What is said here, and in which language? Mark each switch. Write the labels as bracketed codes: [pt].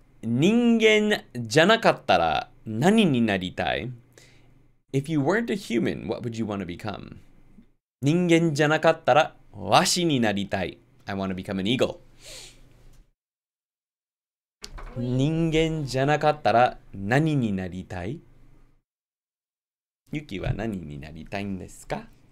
[ja] 人間 じゃなかったら何になりたい? [en] If you weren't a human, what would you want to become? [ja] 人間 じゃなかったらわしになりたい. [en] I want to become an eagle. [ja] 人間じゃなかったら何になりたい? ユキは何になりたいんですか?